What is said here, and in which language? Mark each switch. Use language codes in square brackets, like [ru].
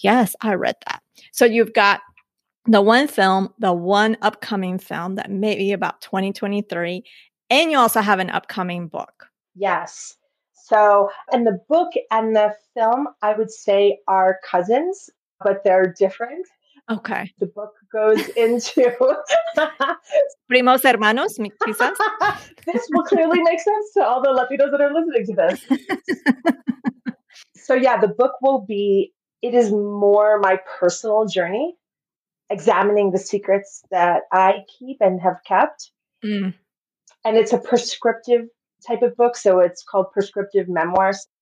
[en] Yes, I read that. So you've got the one film, the one upcoming film that may be about 2023, and you also have an upcoming book. Yes. So, and the book and the film, I would say are cousins, but they're different. Okay. The book goes into... [es] Primos hermanos, quizás. [en] This will clearly make sense to all the Latinos that are listening to this. So yeah, the book will be... It is more my personal journey, examining the secrets that I keep and have kept. Mm. And it's a prescriptive type of book. So it's called Prescriptive Memoirs.